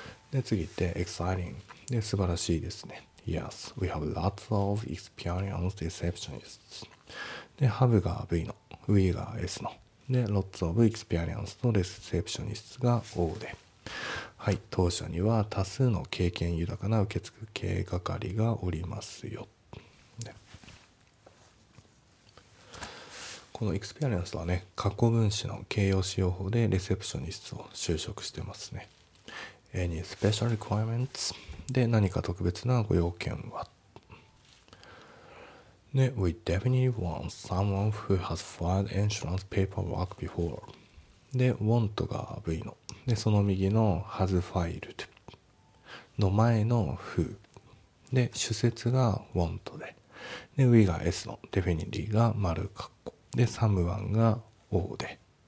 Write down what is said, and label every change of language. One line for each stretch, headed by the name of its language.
Japanese: で、次って exciting で、素晴らしいですね。 Yes, we have lots of experienced receptionists で、 have が V の、 we が S ので、
English: lots of experienced receptionists
Japanese: が O で、はい、当社には多数の経験豊かな受付係がおりますよ。このエクスペリエンスはね、過去分詞の形容使用法でレセプショニストを就職してますね。
English: Any special requirements?
Japanese: で、何か特別なご要件は。で、
English: We definitely want someone who has filed insurance paperwork before.
Japanese: で、want が V の。で、その右の
English: has filed
Japanese: の前の who。で、主節が want で。で、We が S の。 definitely が丸括弧。で、サムワンが O で。